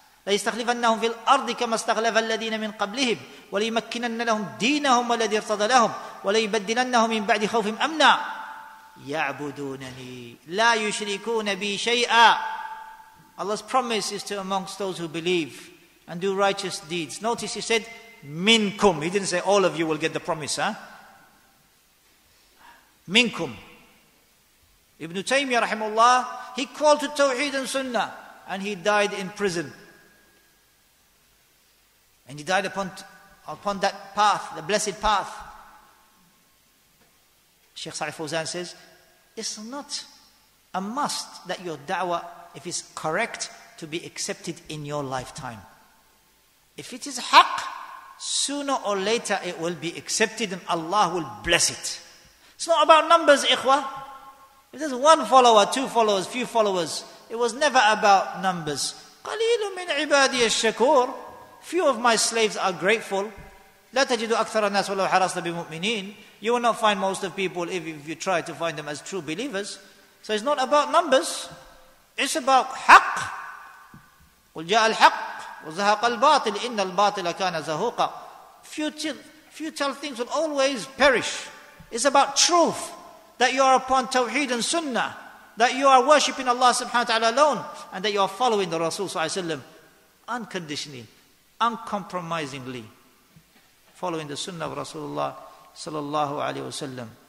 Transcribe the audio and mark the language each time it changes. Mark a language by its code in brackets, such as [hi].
[ar] ليستخلفنهم في الأرض كما استخلف الذين من قبلهم وليمكنن لهم دينهم والذي ارتضى لهم وليبدلنهم من بعد خوفهم أمنا يعبدونني لا يشركون بي شيئا. [en] Allah's promise is to amongst those who believe and do righteous deeds. Notice he said minkum. He didn't say all of you will get the promise, huh? Minkum. Ibn Taymiyyah rahimullah, he called to Tawheed and Sunnah, and he died in prison. And he died upon that path, the blessed path. Sheikh Salih Fawzan says, it's not a must that your da'wah, if it's correct, to be accepted in your lifetime. If it is haqq, sooner or later it will be accepted and Allah will bless it. It's not about numbers, ikhwah. If there's one follower, two followers, few followers, it was never about numbers. [ar] قَلِيلُ مِنْ عِبَادِيَ الشَّكُورِ. [en] Few of my slaves are grateful. [ar] لا تجد أكثر الناس ولو حرصت بمؤمنين. [en] You will not find most of people if you try to find them as true believers. So it's not about numbers. It's about حق. [ar] قل جاء الحق وزهق الباطل إن الباطل كان زهوقا. [en] Futile things will always perish. It's about truth. That you are upon Tawheed and Sunnah. That you are worshipping Allah subhanahu wa ta'ala alone. And that you are following the Rasul sallallahu alayhi wa sallam unconditionally. Uncompromisingly following the sunnah of Rasulullah sallallahu alaihi wasallam.